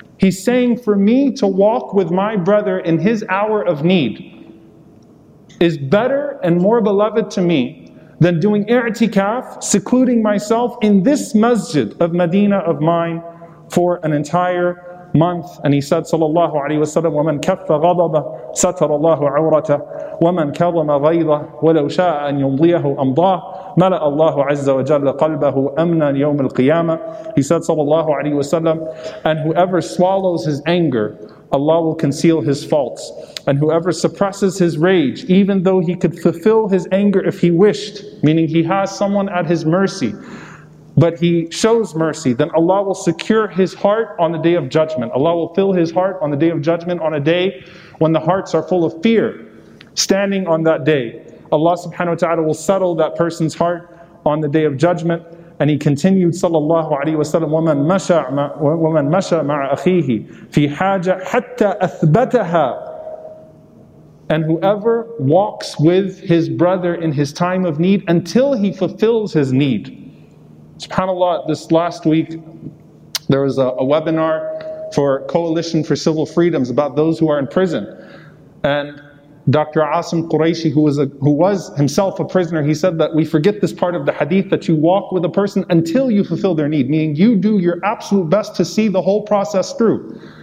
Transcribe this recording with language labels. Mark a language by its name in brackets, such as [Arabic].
[English] He's saying, for me to walk with my brother in his hour of need is better and more beloved to me than doing i'tikaf, secluding myself in this masjid of Medina of mine for an entire month. And he said, [Arabic] sallallahu alayhi wa sallam, وَمَنْ كَفَّ غَضَبَ سَتَرَ اللَّهُ عَوْرَتَهُ وَمَنْ كَظَمَ غَيْظَهُ وَلَوْ شَاءَ أَنْ يُمْضِيَهُ أَمْضَاهُ مَلَأَ اللَّهُ عَزَّ وَجَلَّ قَلْبَهُ أَمْنًا يَوْمِ الْقِيَامَةِ. [English] He said, sallallahu alayhi wa sallam, and whoever swallows his anger, Allah will conceal his faults. And whoever suppresses his rage, even though he could fulfill his anger if he wished, meaning he has someone at his mercy, but he shows mercy, then Allah will secure his heart on the day of judgment. Allah will fill his heart on the day of judgment on a day when the hearts are full of fear. Standing on that day, Allah subhanahu wa ta'ala will settle that person's heart on the day of judgment. And he continued, [Arabic] sallallahu alayhi wa sallam, وَمَنْ مَشَى مَعَ أَخِيهِ فِي حَاجَ حَتَّى أَثْبَتَهَا. [English] And whoever walks with his brother in his time of need until he fulfills his need. SubhanAllah, this last week, there was a webinar for Coalition for Civil Freedoms about those who are in prison. And Dr. Asim Qureshi, who was himself a prisoner, he said that we forget this part of the hadith, that you walk with a person until you fulfill their need, meaning you do your absolute best to see the whole process through.